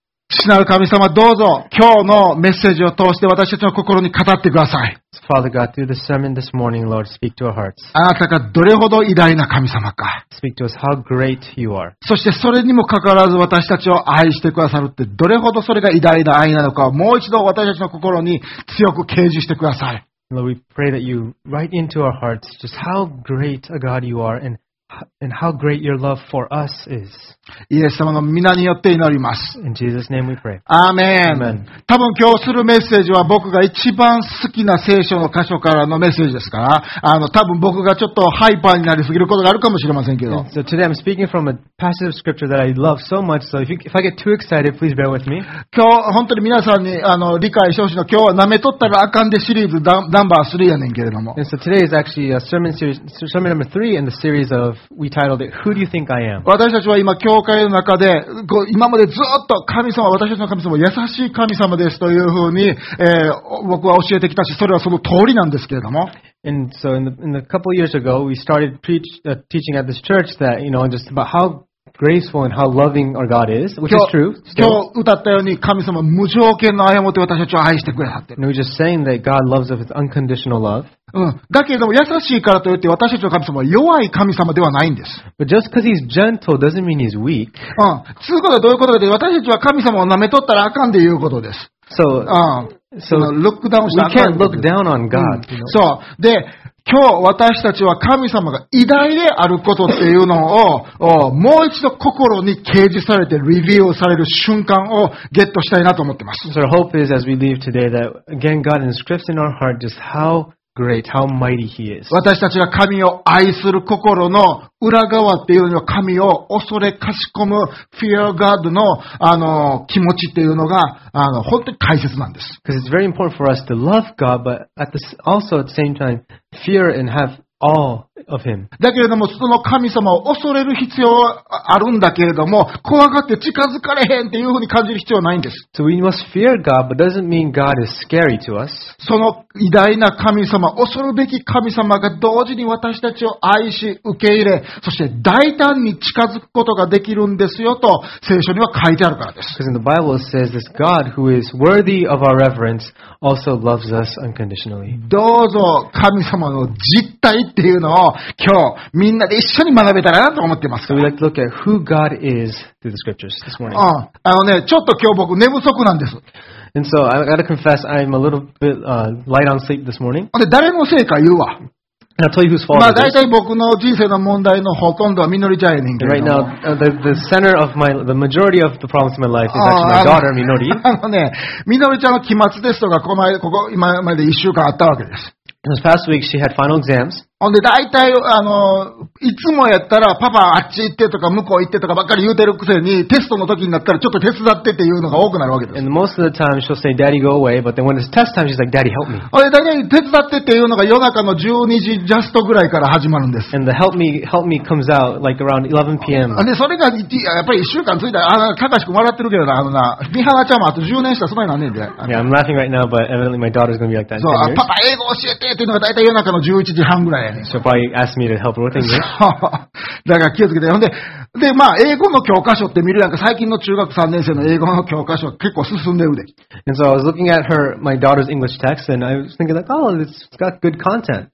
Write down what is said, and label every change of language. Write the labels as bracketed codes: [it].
[ja] 父なる神様、どうぞ今日のメッセージを通して私たちの心に語ってください。 [en] Father God, through the sermon this morning, Lord, speak to our hearts. [ja] あなたがどれほど偉大な神様か。 [en] Speak to us how great you are. [ja] そしてそれにもかかわらず私たちを愛してくださるってどれほどそれが偉大な愛なのかをもう一度私たちの心に強く啓示してください。 [en] Lord, we pray that you write into our hearts just how great a God you are andAnd how great your love for us is. [ja] イエス様の皆によって祈ります。 [en] In Jesus' name we pray. Amen. [ja] 多分今日するメッセージは僕が一番好きな聖書の箇所からのメッセージですから、多分僕がちょっとハイパーになりすぎることがあるかもしれませんけど、 [en] So today I'm speaking from a passage of scripture that I love so much. So if I get too excited, please bear with me. [ja] 今日本当に皆さんに理解してほしいの、今日は舐めとったらあかんでシリーズナンバー3やねんけれども、 [en] So today is actually a sermon series, sermon number 3 in the series ofWe titled it, Who do you think I am? [ja] 私たちは今教会の中で今までずっと神様、私たちの神様、優しい神様ですというふうに、僕は教えてきたし、それはその通りなんですけれども。 [en] And so in the couple of years ago, we started teaching at this church that, you know, just about how graceful and how loving our God is, which is true. [ja] 今日歌ったように神様無条件の愛を持って私たちを愛してくれたって。 [en] And we're just saying that God loves us with unconditional love. [ja] だけども優しいからといって私たちの神様は弱い神様ではないんです。 [en] But just because he's gentle doesn't mean he's weak. [ja] つうことはどういうことかというと、私たちは神様を舐めとったらあかんでいうことです。 [en] So, look down on God. We can't look down on God. [ja] そう。で、今日私たちは神様が偉大であることっていうのをもう一度心に掲示されてリビューされる瞬間をゲットしたいなと思ってます。 [en] So our hope is as we leave today that again God inscripts in our heart just howGreat, how mighty he is. [ja] 私たちが神を愛する心の裏側っていうのは、神を恐れかしこむ [en] fear God [ja] の気持ちっていうのが本当に大切なんです。 [en] Because it's very important for us to love God, but also at the same time fear and have awe of him. [ja] だけれどもその神様を恐れる必要はあるんだけれども、怖がって近づかれへんっていうふうに感じる必要はないんです。 [en] So we must fear God, but doesn't mean God is scary to us. [ja] その偉大な神様、恐るべき神様が同時に私たちを愛し受け入れ、そして大胆に近づくことができるんですよと聖書には書いてあるからです。 [en] Because in the Bible it says this God who is worthy of our reverence also loves us unconditionally. [ja] どうぞ神様の実態っていうのを今日みんなで一緒に学べたらなと思ってます。 [en] So we'd like to look at who God is through the scriptures this morning. [ja] ちょっと今日僕寝不足なんです。 [en] And so I gotta confess, I'm a little bit light on sleep this morning. [ja] で誰のせいか言うわ。 [en] And I'll tell you whose fault it is. [ja] まあ大体僕の人生の問題のほとんどはみのりちゃんやねんけど。 [en] Right now, the center of the majority of the problems in my life is actually my daughter, みのり。 [ja] みのりちゃんの期末テストがここ今まで1週間あったわけです。 [en] This past week she had final exams. And [ja] で大体いつもやったらパパあっち行ってとか向こう行ってとかばっかり言うてるくせに、テストの時になったらちょっと手伝ってっていうのが多くなるわけです。 [en] And most of the time she'll say, "Daddy, go away." But then when it's test time, she's like, "Daddy, help me." [ja] あれ大体手伝ってっていうのが夜中の12時ジャストぐらいから始まるんです。 [en] And the help me comes out like around 11 p.m. [ja] でそれがやっぱり1週間続いたら、たかし君笑ってるけどな、みはなちゃんもあと10年したらそんなになんねんで。 [en] Yeah, I'm laughing right now, but evidently my daughter's gonna be like that. [ja] そう、パパ英語教えてっていうのが大体夜中の11時半ぐらい。 [en] So probably ask me to help with English. [ja] だから気をつけて。で、まあ、英語の教科書って見るやんか、最近の中学3年生の英語の教科書結構進んでるで。 [en] And so I was looking at her, my daughter's English text, and I was thinking like, oh, it's got good content.